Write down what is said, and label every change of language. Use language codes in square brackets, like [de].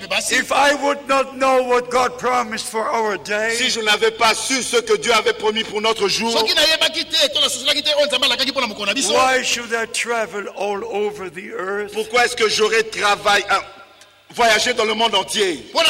[en] If I would not know what God promised for our day. [fr] Si je n'avais pas su ce que Dieu avait promis pour notre jour. [en] Why should I travel all over the earth? [fr] Pourquoi est-ce que j'aurais travaillé à voyager dans le monde entier?